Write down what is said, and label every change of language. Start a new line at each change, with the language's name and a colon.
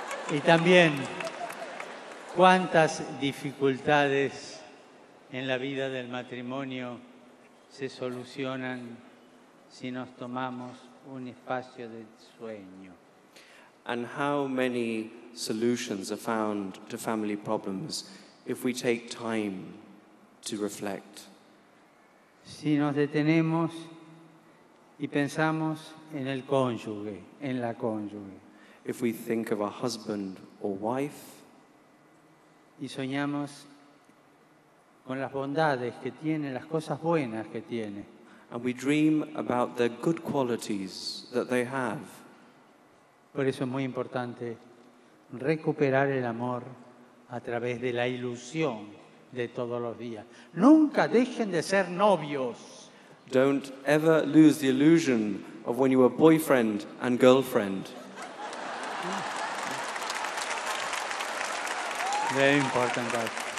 Spanish: Y también, ¿cuántas dificultades en la vida del matrimonio se solucionan si nos tomamos un espacio de sueño?
English: And how many solutions are found to family problems if we take time to reflect?
Spanish: Si nos detenemos y pensamos en el cónyuge, en la cónyuge.
English: If we think of our husband or wife,
Spanish: y soñamos con las bondades que tiene, las cosas buenas que tiene,
English: and we dream about the good qualities that they have.
Spanish: Por eso es muy importante recuperar el amor a través de la ilusión de todos los días. Nunca dejen de ser novios.
English: Don't ever lose the illusion of when you were boyfriend and girlfriend. Very important, guys.